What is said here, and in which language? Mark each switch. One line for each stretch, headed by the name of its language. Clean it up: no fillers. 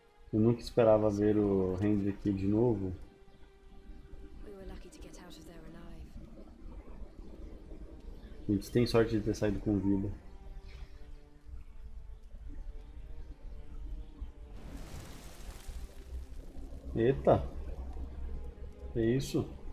Portuguese: Eu nunca esperava ver o Hendrik aqui de novo.
English: We were lucky to get out of there alive.
Portuguese: A gente tem sorte de ter saído com vida. Eita! É isso?